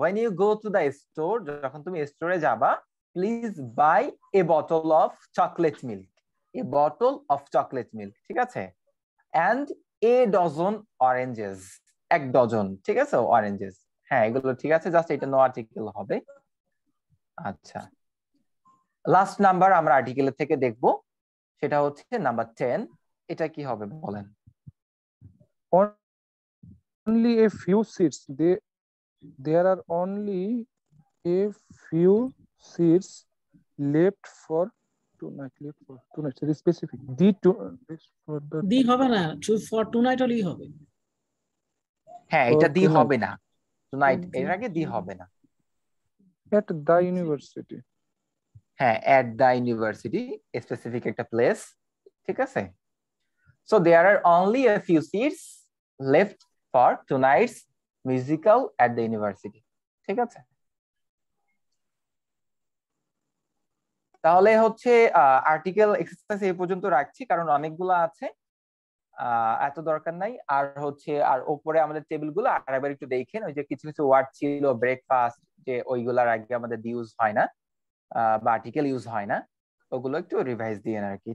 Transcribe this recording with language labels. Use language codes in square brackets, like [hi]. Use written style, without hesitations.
[en] When you go to the store, [bn] যখন তুমি স্টোরে যাবা, [en] please buy a bottle of chocolate milk. A bottle of chocolate milk, [bn] ঠিক আছে? [en] And a dozen oranges. [bn] এক dozen, ঠিক আছে? Oranges. হ্যাঁ, এগুলো ঠিক আছে। [en] Just এটা no article হবে। [bn] আচ্ছা। Last number আমরা article থেকে দেখব। সেটা হচ্ছে number 10। এটা কি হবে বলেন? [en] Only a few seats. There are only a few seats left for tonight. Left for tonight. Very specific. D to for the. D [bn] হবে না. [en] Choose for tonight only হবে. [bn] হ্যাঁ, এটা D হবে না. Tonight. এর আগে D হবে না. [en] At the university. হ্যাঁ, at the university. A specific একটা place. [bn] ঠিক আছে. [en] So there are only a few seats left. For tonight's musical at the university. [bn] ঠিক আছে, তাহলে হচ্ছে আর্টিকেল এক্সারসাইজ এই পর্যন্ত রাখছি, কারণ অনেকগুলো আছে, এত দরকার নাই। আর হচ্ছে আর উপরে আমাদের টেবিলগুলো আরেকবার একটু দেখেন, ওই যে কিছু কিছু ওয়ার্ড ছিল ব্রেকফাস্ট, যে ওইগুলার আগে আমাদের ইউজ হয় না বা আর্টিকেল ইউজ হয় না, ওগুলো একটু রিভাইজ দিয়ে আর কি।